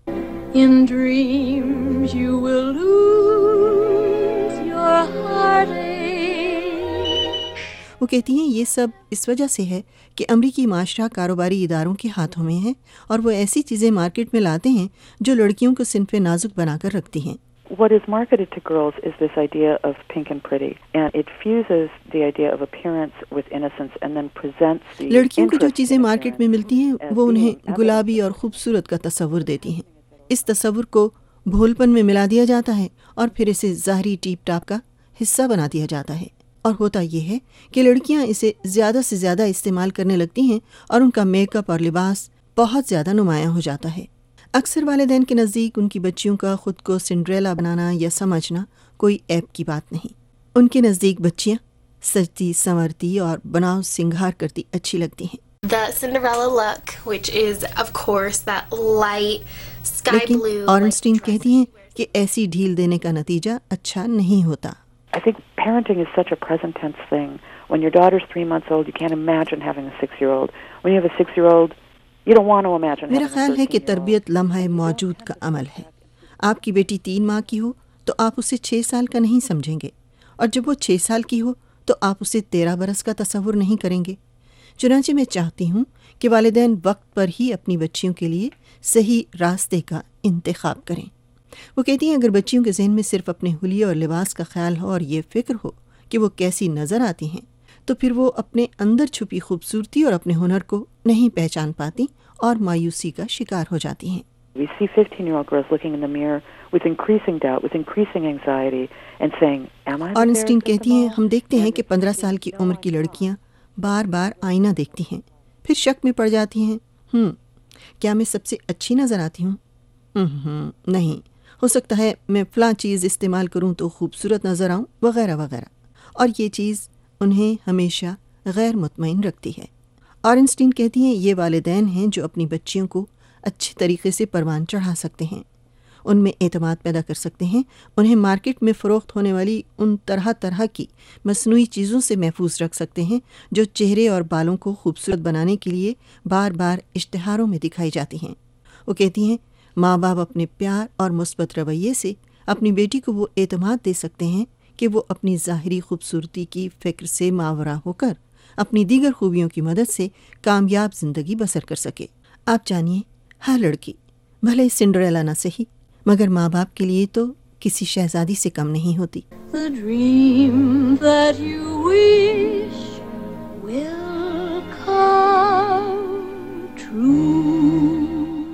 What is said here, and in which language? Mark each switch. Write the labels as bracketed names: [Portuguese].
[English] In dreams you will lose your heartache. [Urdu] وہ کہتی ہیں یہ سب اس وجہ سے ہے کہ امریکی معاشرہ کاروباری اداروں کے ہاتھوں میں ہے اور وہ ایسی چیزیں مارکیٹ میں لاتے ہیں جو لڑکیوں کو صنف نازک بنا کر رکھتی ہیں۔ [English] What is marketed to girls is this idea of pink and pretty, and it fuses the idea of appearance with innocence and then presents the [Urdu] لڑکیوں کو جو چیزیں مارکیٹ میں ملتی ہیں وہ انہیں گلابی اور خوبصورت کا تصور دیتی ہیں۔ اس تصور کو بھولپن میں ملا دیا جاتا ہے اور پھر اسے ظاہری ٹیپ ٹاپ کا حصہ بنا دیا جاتا ہے، اور ہوتا یہ ہے کہ لڑکیاں اسے زیادہ سے زیادہ استعمال کرنے لگتی ہیں اور ان کا میک اپ اور لباس بہت زیادہ نمایاں ہو جاتا ہے۔ اکثر والدین کے نزدیک ان کی بچیوں کا خود کو سنڈریلا بنانا یا سمجھنا کوئی عیب کی بات نہیں۔ ان کے نزدیک بچیاں سجتی سنورتی اور بناؤ سنگھار کرتی اچھی لگتی ہیں۔ [English] The Cinderella look, which is of course that light sky [Urdu] لیکن [English] blue, [Urdu] آرنسٹین کہتی ہیں کہ ایسی ڈھیل دینے کا نتیجہ اچھا نہیں ہوتا۔ [English] I think parenting is such a present tense thing. When your daughter's 3 months old, you can't imagine having a 6-year-old. When you have a 6-year-old, you don't want to imagine. [Urdu] میرا خیال ہے کہ تربیت لمحہ موجود کا عمل ہے۔ آپ کی بیٹی 3 ماہ کی ہو تو آپ اسے 6 سال کا نہیں سمجھیں گے، اور جب وہ 6 سال کی ہو تو آپ اسے 13 برس کا تصور نہیں کریں گے۔ چنانچہ میں چاہتی ہوں کہ والدین وقت پر ہی اپنی بچیوں کے لیے صحیح راستے کا انتخاب کریں۔ وہ کہتی ہیں اگر بچیوں کے ذہن میں صرف اپنے حلیے اور لباس کا خیال ہو اور یہ فکر ہو کہ وہ کیسی نظر آتی ہیں تو پھر وہ اپنے اندر چھپی خوبصورتی اور اپنے ہنر کو نہیں پہچان پاتی اور مایوسی کا شکار ہو جاتی ہیں۔ [English] We see 15-year-old girls looking in the mirror with increasing doubt, with increasing anxiety and saying, am I [Urdu] آرنسٹین کہتی ہیں ہم دیکھتے ہیں کہ 15 سال کی عمر کی لڑکیاں بار بار آئینہ دیکھتی ہیں، پھر شک میں پڑ جاتی ہیں، کیا میں سب سے اچھی نظر آتی ہوں؟ نہیں، ہو سکتا ہے میں فلاں چیز استعمال کروں تو خوبصورت نظر آؤں، وغیرہ وغیرہ، اور یہ چیز انہیں ہمیشہ غیر مطمئن رکھتی ہے۔ آرنسٹین کہتی ہیں یہ والدین ہیں جو اپنی بچیوں کو اچھے طریقے سے پروان چڑھا سکتے ہیں, ان میں اعتماد پیدا کر سکتے ہیں, انہیں مارکیٹ میں فروخت ہونے والی ان طرح طرح کی مصنوعی چیزوں سے محفوظ رکھ سکتے ہیں جو چہرے اور بالوں کو خوبصورت بنانے کے لیے بار بار اشتہاروں میں دکھائی جاتی ہیں. وہ کہتی ہیں ماں باپ اپنے پیار اور مثبت رویے سے اپنی بیٹی کو وہ اعتماد دے سکتے ہیں کہ وہ اپنی ظاہری خوبصورتی کی فکر سے ماورا ہو کر اپنی دیگر خوبیوں کی مدد سے کامیاب زندگی بسر کر سکے. آپ جانیے ہر لڑکی بھلے سنڈریلا نہ سہی مگر ماں باپ کے لیے تو کسی شہزادی سے کم نہیں ہوتی. [English] The dream that you wish will come true.